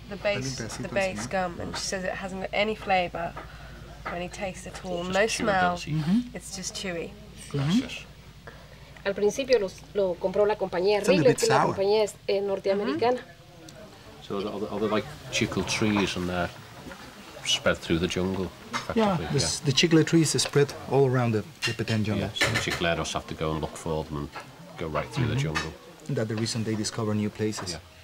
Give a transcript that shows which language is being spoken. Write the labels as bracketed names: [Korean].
[English] The base gum, and she says it hasn't got any flavor or any taste at all. No smell. Mm-hmm. It's just chewy. [Spanish] Al principio lo compró la compañía Rigler, que la compañía es norteamericana. [English] So are there like chicle trees and they're spread through the jungle? The chicle trees are spread all around the Petén jungle. Yeah, so the chicleros have to go and look for them and go right through the jungle. And that's the reason they discover new places.